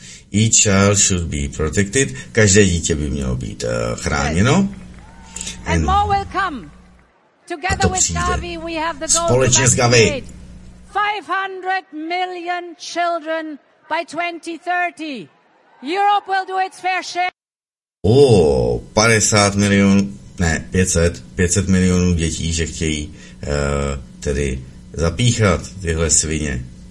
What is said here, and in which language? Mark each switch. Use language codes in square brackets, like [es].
[en] Each child should be protected. [cs] Každé dítě by mělo být chráněno. [en] And more will come. Together with Gavi, we have the goal to vaccinate 500 million children by 2030. Europe will do its fair share. [cs] Oh, 50 milionů, ne, 500 milionů dětí, že chtějí tedy zapíchat tyhle svině.